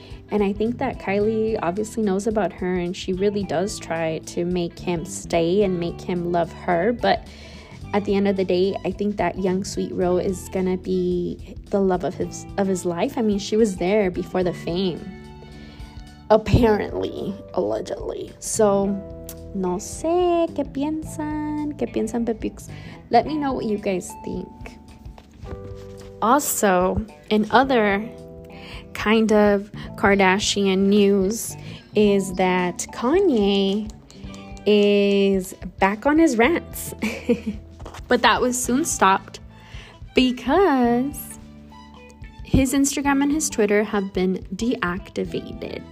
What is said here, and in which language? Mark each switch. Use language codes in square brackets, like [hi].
[en] And I think that Kylie obviously knows about her, and she really does try to make him stay and make him love her. But at the end of the day, I think that young sweet Ro is gonna be the love of his life. I mean, she was there before the fame, apparently, allegedly. [es] So, no sé, ¿qué piensan, Pepix? [en] Let me know what you guys think. Also, in other kind of Kardashian news is that Kanye is back on his rants. But that was soon stopped because his Instagram and his Twitter have been deactivated.